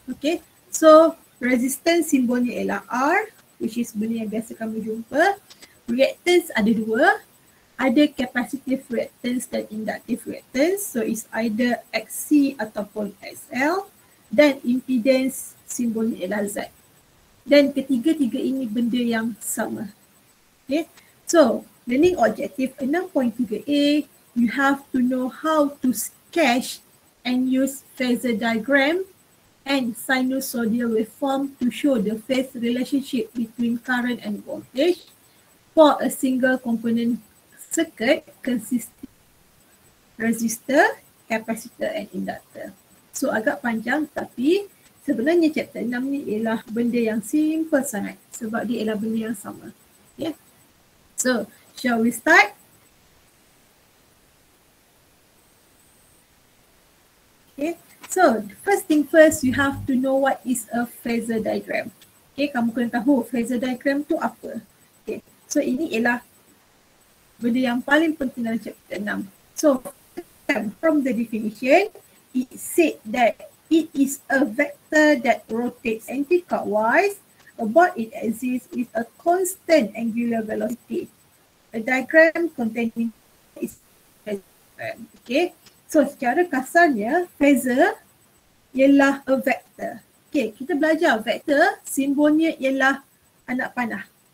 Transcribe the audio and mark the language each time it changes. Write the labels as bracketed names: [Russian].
[Malay] Okay, so resistance simbolnya ialah R, [English] which is [Malay] benda yang biasa kamu jumpa. Reactance ada dua, ada capacitive reactance dan inductive reactance. [English] So it's either [Malay] XC ataupun XL. Dan impedance simbolnya ialah Z. Dan ketiga-tiga ini benda yang sama. [English] Okay, so learning objective 6.3A, you have to know how to sketch and use phasor diagram and sinusoidal waveform to show the phase relationship between current and voltage for a single component circuit consisting resistor, capacitor and inductor. [Malay] So agak panjang, tapi sebenarnya chapter 6 ni ialah benda yang simple sangat sebab dia ialah benda yang sama. [English] Yeah. So shall we start? Okay, so first thing first, you have to know what is a phasor diagram. [Malay] Okay, kamu kena tahu phasor diagram tu apa. Okay, so ini ialah benda yang paling penting dalam chapter 6. [English] So from the definition, it said that it is a vector that rotates anticlockwise about its axis with a constant angular velocity. A diagram containing is diagram. [Malay] Okay, so secara kasarnya, phasor ialah [English] a vector. [Malay] Okay, kita belajar vector, simbolnya ialah anak panah.